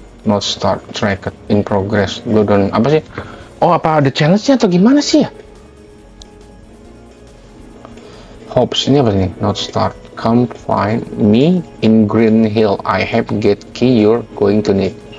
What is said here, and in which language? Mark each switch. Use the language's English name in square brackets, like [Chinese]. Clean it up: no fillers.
[English] Not start, track in progress. [Indonesian] Gue don't, apa sih? Oh, apa ada challenge-nya atau gimana sih ya? Hopes, ini apa nih? [English] Not start. Come find me in Green Hill. I have gate key you're going to need.